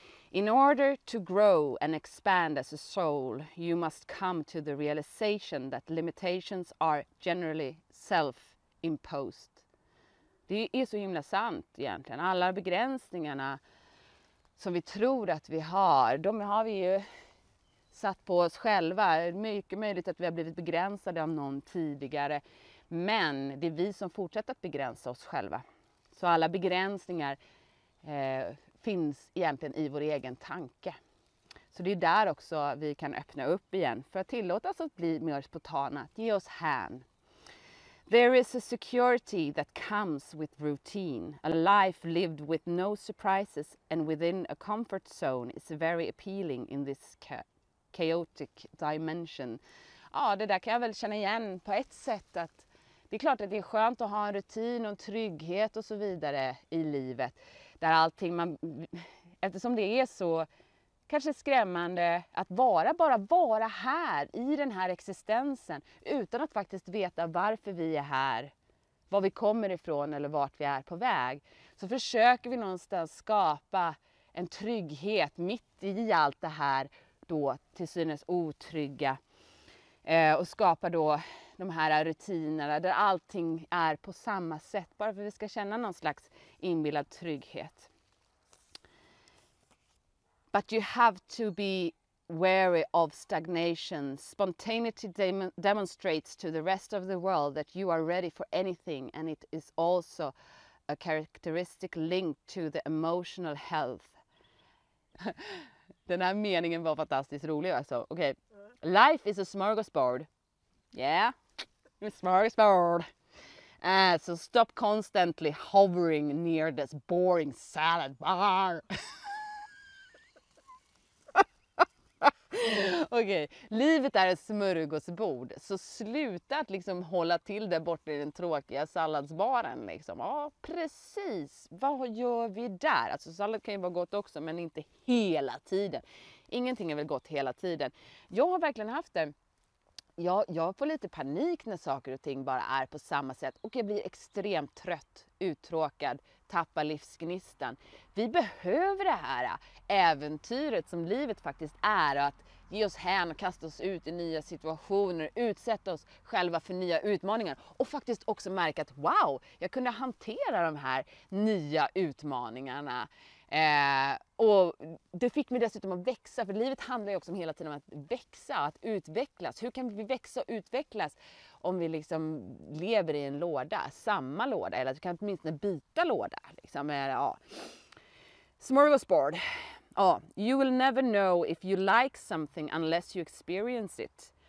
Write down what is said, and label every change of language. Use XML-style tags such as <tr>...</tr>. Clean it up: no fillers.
<en>In order to grow and expand as a soul, you must come to the realization that limitations are generally self-imposed.</en> <sv>Det är så himla sant egentligen. Alla begränsningarna som vi tror att vi har, de har vi ju satt på oss själva. Mycket möjligt att vi har blivit begränsade av någon tidigare. Men det är vi som fortsätter att begränsa oss själva. Så alla begränsningar finns egentligen i vår egen tanke. Så det är där också vi kan öppna upp igen. För att tillåta oss att bli mer spontana. Att ge oss hän.</sv> <en>There is a security that comes with routine. A life lived with no surprises and within a comfort zone is very appealing in this chaotic dimension.</en> <sv>Ja, det där kan jag väl känna igen på ett sätt, att det är klart att det är skönt att ha en rutin och en trygghet och så vidare i livet. Där allting man, eftersom det är så kanske skrämmande att bara vara här i den här existensen utan att faktiskt veta varför vi är här, var vi kommer ifrån eller vart vi är på väg, så försöker vi någonstans skapa en trygghet mitt i allt det här då till synes otrygga, och skapa då de här rutinerna där allting är på samma sätt, bara för att vi ska känna någon slags inbillad trygghet.</sv> <en>But you have to be wary of stagnation. Spontaneity demonstrates to the rest of the world that you are ready for anything, and it is also a characteristic link to the emotional health.</en> <sv>Den här meningen var fantastiskt rolig alltså.</sv> <en>Okay. Life is a smorgasbord. Yeah. Smorgasbord. So stop constantly hovering near this boring salad bar. Okay.</en> <sv>Livet är ett smörgåsbord. Så sluta att liksom hålla till där borta i den tråkiga salladsbaren. Liksom. Ja, precis. Vad gör vi där? Alltså, sallad kan ju vara gott också, men inte hela tiden. Ingenting är väl gott hela tiden. Jag har verkligen haft det. Jag får lite panik när saker och ting bara är på samma sätt och jag blir extremt trött, uttråkad, tappar livsgnistan. Vi behöver det här äventyret som livet faktiskt är, att ge oss hän och kasta oss ut i nya situationer, utsätta oss själva för nya utmaningar och faktiskt också märka att wow, jag kunde hantera de här nya utmaningarna. Och det fick mig dessutom att växa, för livet handlar ju också om hela tiden om att växa, att utvecklas. Hur kan vi växa och utvecklas om vi liksom lever i en låda, samma låda, eller att vi kan åtminstone byta låda liksom, ja.</sv> <en>Smorgasbord. Ja, you will never know if you like something unless you experience it.</en>